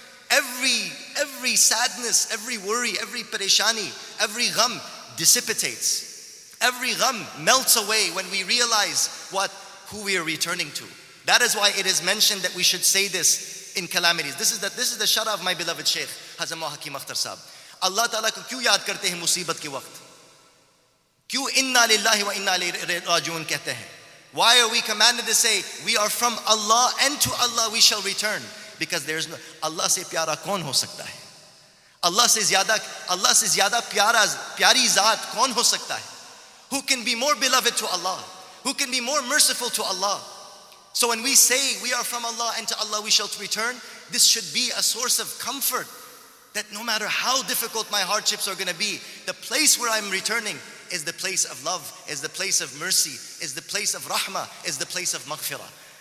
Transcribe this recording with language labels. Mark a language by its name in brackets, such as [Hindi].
[English] Every sadness, every worry, every pareshani, every gham dissipates. Every gham melts away when we realize who we are returning to. That is why it is mentioned that we should say this in calamities. This is the shara of my beloved Shaykh, Hazrat Moha Hakim Akhtar Sahib. [Urdu] اللہ تعالیٰ کو کیوں یاد کرتے ہیں مصیبت کے وقت؟ کیوں انا للہ و انا الیہ راجعون کہتے ہیں؟ [English] Why are we commanded to say, we are from Allah and to Allah we shall return? Because there is no, [Urdu] اللہ سے پیارا کون ہو سکتا ہے؟ اللہ سے زیادہ پیاری ذات کون ہو سکتا ہے؟ [English] Who can be more beloved to Allah? Who can be more merciful to Allah? So when we say we are from Allah and to Allah we shall return, this should be a source of comfort. that no matter how difficult my hardships are going to be, the place where I'm returning is the place of love, is the place of mercy, is the place of rahmah, is the place of maghfirah.